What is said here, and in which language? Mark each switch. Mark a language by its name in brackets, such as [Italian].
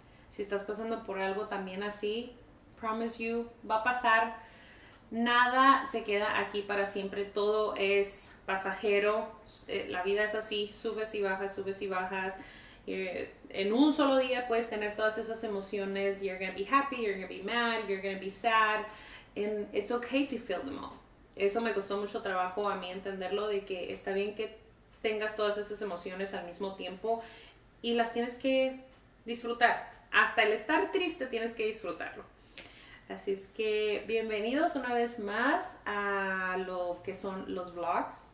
[Spanish] Si estás pasando por algo también así, [English] promise you, [Spanish] va a pasar. Nada se queda aquí para siempre, todo es pasajero. La vida es así, subes y bajas, en un solo día puedes tener todas esas emociones. [English] You're gonna be happy, you're gonna be mad, you're gonna be sad, and it's okay to feel them all. [Spanish] Eso me costó mucho trabajo a mí entenderlo, de que está bien que tengas todas esas emociones al mismo tiempo y las tienes que disfrutar. Hasta el estar triste tienes que disfrutarlo. Así es que bienvenidos una vez más a lo que son los vlogs.